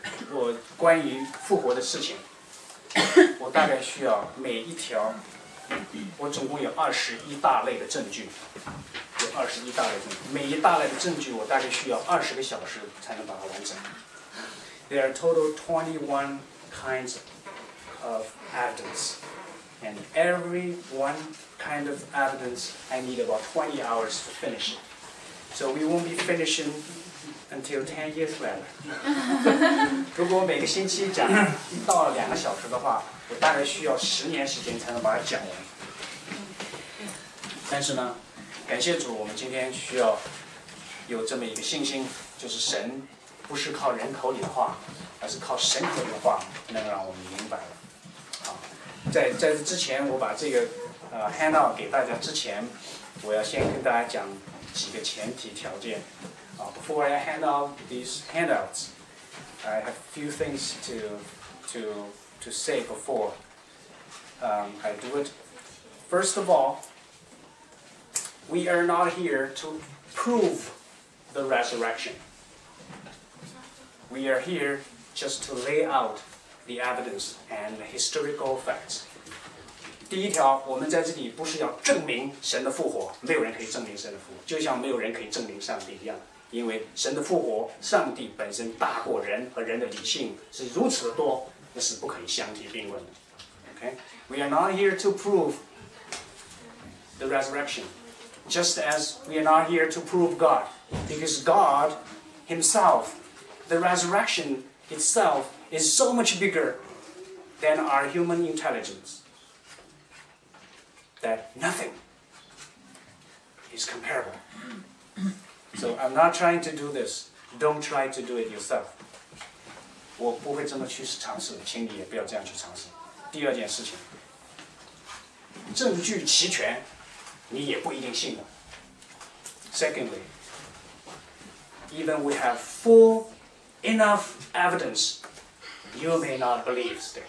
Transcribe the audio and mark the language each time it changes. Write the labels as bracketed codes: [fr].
[zh] 我关于复活的事情，我大概需要每一条，我总共有21大类的证据，有21大类证据，每一大类的证据我大概需要20个小时才能把它完成。 [en] There are total 21 kinds of evidence, and every one kind of evidence I need about 20 hours to finish it. So we won't be finishingUntil 10 years later. [zh] 如果每个星期讲1到2个小时的话，我大概需要10年时间才能把它讲完。但是呢，感谢主，我们今天需要有这么一个信心，就是神不是靠人口里的话，而是靠神口里的话能让我们明白了。好，在这之前，我把这个handout 给大家之前，我要先跟大家讲几个前提条件。 [en] Before I hand out these handouts, I have a few things to say before I do it. First of all, we are not here to prove the resurrection. We are here just to lay out the evidence and the historical facts. [zh] 第一条，我们在这里不是要证明神的复活，没有人可以证明神的复活，就像没有人可以证明上帝一样。因为神的复活，上帝本身大过人，和人的理性是如此的多，那是不可以相提并论的。 [en] Okay? We are not here to prove the resurrection, just as we are not here to prove God, because God himself, the resurrection itself, is so much bigger than our human intelligence, that nothing is comparable. So I'm not trying to do this. Don't try to do it yourself. [zh] 我不会这么去尝试，请你也不要这样去尝试。第二件事情，证据齐全，你也不一定信的。 [en] Secondly, even we have full enough evidence, you may not believe still.